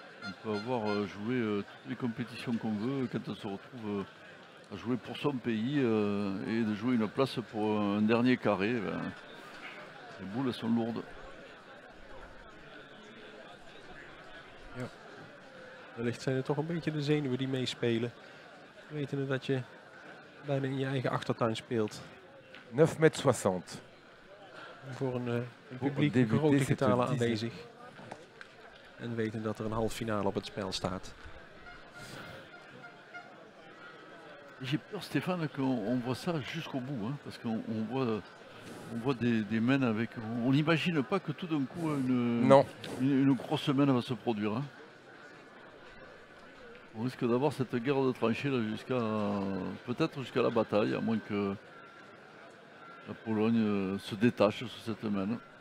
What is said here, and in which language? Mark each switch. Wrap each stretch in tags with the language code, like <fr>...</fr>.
<fr>On peut avoir joué toutes les compétitions qu'on veut quand on se retrouve à jouer pour son pays et de jouer une place pour un dernier carré. Ben, les boules sont lourdes.</fr> <nl>Ja. Wellicht zijn er toch een beetje de zenuwen die meespelen. Wetende dat je bijna in je eigen achtertuin speelt. 9,60 meter. Voor een publiek een grote getale aanwezig. En weten dat er een halve finale op het spel staat.</nl> <fr>J'ai peur, Stéphane, qu'on voit ça jusqu'au bout. Hein, parce qu'on voit des mains avec. On n'imagine pas que tout d'un coup, une grosse main va se produire. Hein. On risque d'avoir cette guerre de tranchées là jusqu'à. Peut-être jusqu'à la bataille, à moins que la Pologne se détache sur cette main.</fr>